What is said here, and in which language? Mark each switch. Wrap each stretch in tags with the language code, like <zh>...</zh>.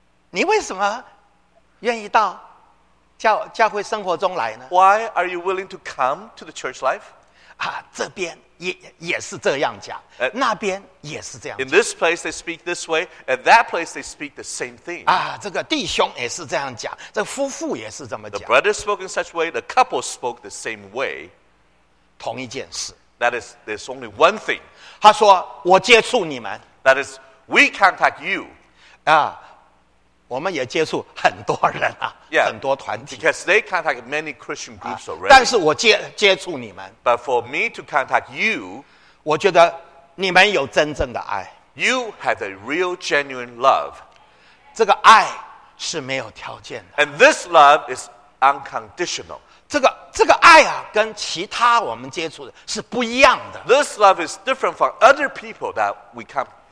<zh>你为什么愿意到教会生活中来呢？</zh> <en>Why are you willing to come to the church life?</en> <zh>这边也是这样讲，那边也是这样讲。</zh> <en>In this place they speak this way, at that place they speak the same thing.</en> <zh>这个弟兄也是这样讲，这夫妇也是这么讲。</zh> <en>The brother spoke in such way, the couple spoke the same way.</en> <zh>同一件事。</zh> <en>That is, there's only one thing.</en> <zh>他说，我接触你们。</zh> <en>That is, we contact you.</en> <zh>我们也接触很多人啊， yeah, 很多团体。</zh> <en>Because they contact many Christian groups already.</en> <zh>但是我接触你们。</zh> <en>But for me to contact you,</en> <zh>我觉得你们有真正的爱。</zh> <en>You have a real genuine love.</en> <zh>这个爱是没有条件的。</zh> <en>And this love is unconditional.</en> <zh>这个爱啊，跟其他我们接触的是不一样的。</zh> <en>This love is different from other people that we come.</en>